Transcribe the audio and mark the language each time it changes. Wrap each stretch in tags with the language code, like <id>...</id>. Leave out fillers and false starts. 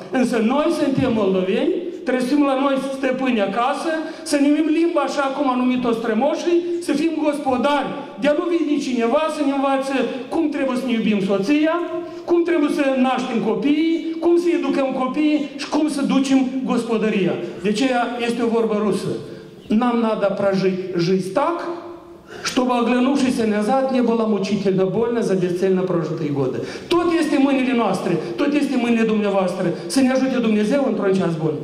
<ro>Însă noi suntem moldoveni, trebuie să fim la noi stăpâni acasă, să numim limba așa cum a numit-o strămoșii, să fim gospodari. De-a nu vine cineva să ne învață cum trebuie să ne iubim soția, cum trebuie să naștem copiii, cum să educăm copiii și cum să ducem gospodăria. De aceea este o vorbă rusă.</ro> <ru>Нам надо прожить жизнь так, чтобы оглянувшись назад не было мучительно больно за бесцельно прожитые годы.</ru> <ro>Tot este mâinile noastre, tot este mâinile dumneavoastră. Să ne ajute Dumnezeu într-un ceas bun.</ro>